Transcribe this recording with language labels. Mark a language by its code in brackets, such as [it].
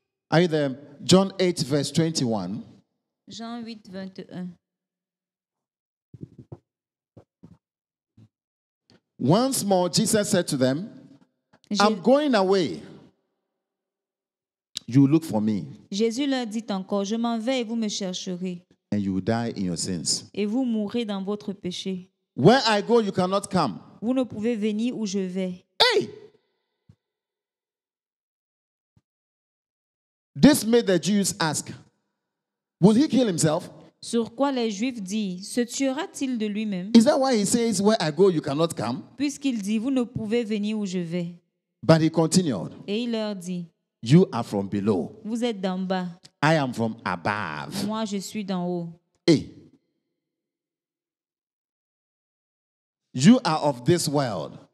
[en] Are you there? John 8, verse 21. [fr] Jean 8, 21. [en] Once more, Jesus said to them, I'm going away. You look for me. [fr] Jésus leur dit encore, je m'en vais et vous me chercherez. [en] And you die in your sins. [fr] Et vous mourrez dans votre péché. [en] Where I go, you cannot come. [fr] Vous ne pouvez venir où je vais. Hey! [en] This made the Jews ask, will he kill himself? [fr] Sur quoi les Juifs disent, se tuera-t-il de lui-même? [en] Is that why he says, where I go, you cannot come? [fr] Puisqu'il dit, vous ne pouvez venir où je vais. [en] But he continued. [fr] Et il leur dit, [en] you are from below. [fr] Vous êtes d'en bas. [en] I am from above. [fr] Moi, je suis d'en haut. Hey. [en] You are of this world.